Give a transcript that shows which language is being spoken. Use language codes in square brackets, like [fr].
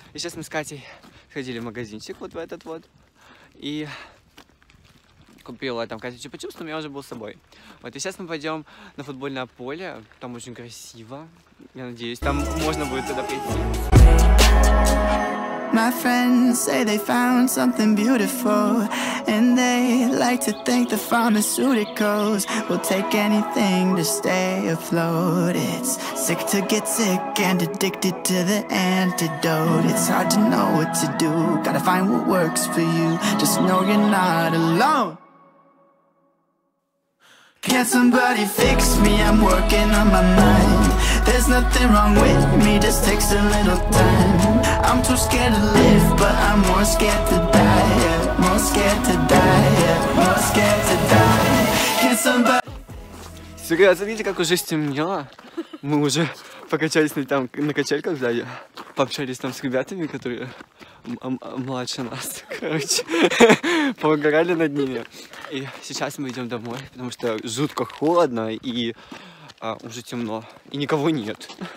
[ru] И сейчас мы с Катей ходили в магазинчик вот в этот вот. И купила там Катя чупа-чупс, но у меня уже был с собой. Вот, и сейчас мы пойдем на футбольное поле. Там очень красиво, я надеюсь. Там можно будет туда прийти. My [en] my friends say they found something beautiful, and they like to think the pharmaceuticals will take anything to stay afloat. It's sick to get sick and addicted to the antidote. It's hard to know what to do, gotta find what works for you. Just know you're not alone. Can somebody fix me? I'm working on my mind. There's nothing wrong with me, just takes a little time. I'm too scared to live, but I'm more scared to die, yeah. More scared to die, yeah. More scared to die. Can somebody... [ru] Серьёзно, смотрите, как уже стемнело. Мы уже покачались там на качельках сзади, пообщались там с ребятами, которые младше нас, короче, поугарали над ними. И сейчас мы идем домой, потому что жутко холодно и уже темно, и никого нет.